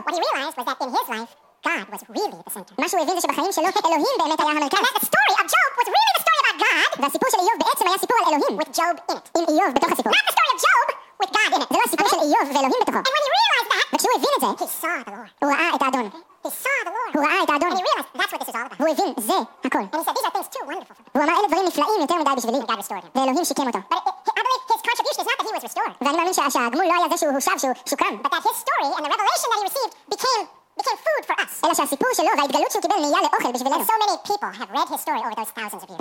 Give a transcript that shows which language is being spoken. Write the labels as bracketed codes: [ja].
[en] What he realized was that in his life, God was really the center. [he] מה שהוא הבין זה שבחיים שלו אלוהים באמת היה המרכז. [en] And that the story of Job was really the story about God. [he] והסיפור של איוב בעצם היה סיפור על אלוהים. [en] With Job in it. [he] עם איוב בתוך הסיפור. [en] Not the story of Job with God in it. [he] זה לא הסיפור של איוב ואלוהים בתוכו. [en] And when he realized that, [he] וכשהוא הבין את זה, [en] he saw the Lord. [he] הוא ראה את האדון. [en] He saw the Lord. [he] הוא ראה את האדון. [en] And he realized that's what this is all about. [he] והוא הבין, זה הכל. [en] And he said, these are things too wonderful for me. [he] הוא אמר, אלה דברים נפלאים יותר מדי בשבילי. [en] And God restored him. [he] ואלוהים שיקם אותו. [en] But I believe his contribution is not that he was restored. [he] ואני מאמין שהגמול לא היה זה שהוא הושב, שהוא שוקם. [en] But that his story and the revelation that he received became became food for us. [he] אלא שהסיפור שלו וההתגלות שהוא קיבל נהיה לאוכל בשבילנו. [en] And so many people have read his story over those thousands of years.